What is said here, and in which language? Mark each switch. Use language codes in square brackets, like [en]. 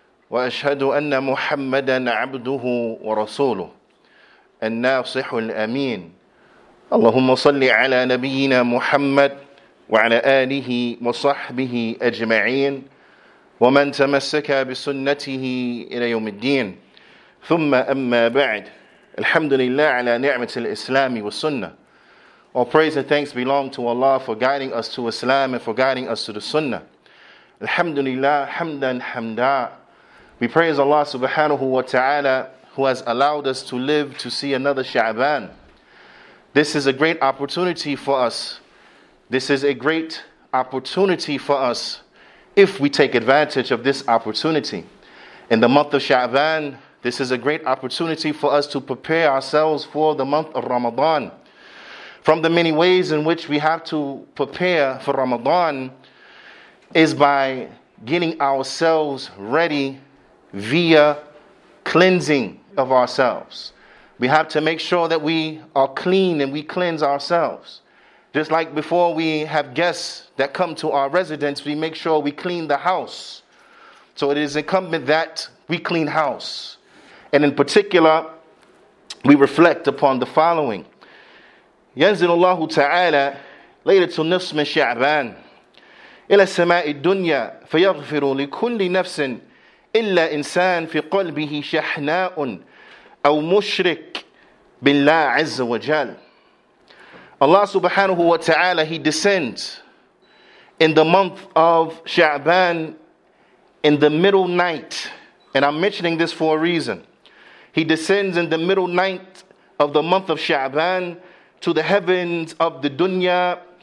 [ar] وأشهد أن محمدا عبده ورسوله الناصح الأمين اللهم صل على نبينا محمد وعلى آله وصحبه أجمعين ومن تمسك بسنته إلى يوم الدين ثم أما بعد الحمد لله على نعمة الإسلام والسنة. [en] All praise and thanks belong to Allah for guiding us to Islam and for guiding us to the Sunnah. Alhamdulillah, hamdan hamda. We praise Allah subhanahu wa ta'ala who has allowed us to live to see another Sha'ban. This is a great opportunity for us. This is a great opportunity for us if we take advantage of this opportunity. In the month of Sha'ban, this is a great opportunity for us to prepare ourselves for the month of Ramadan. From the many ways in which we have to prepare for Ramadan is by getting ourselves ready via cleansing of ourselves. We have to make sure that we are clean and we cleanse ourselves. Just like before we have guests that come to our residence, we make sure we clean the house. So it is incumbent that we clean house. And in particular, we reflect upon the following. [ar] ينزل الله تعالى ليلة النصف من شعبان إلى السماء الدنيا فيغفر لكل نفس إلا إنسان في قلبه شحناء أو مشرك بالله عز وجل. [en] Allah subhanahu wa ta'ala, He descends in the month of Sha'ban in the middle night. And I'm mentioning this for a reason. He descends in the middle night of the month of Sha'ban to the heavens of the dunya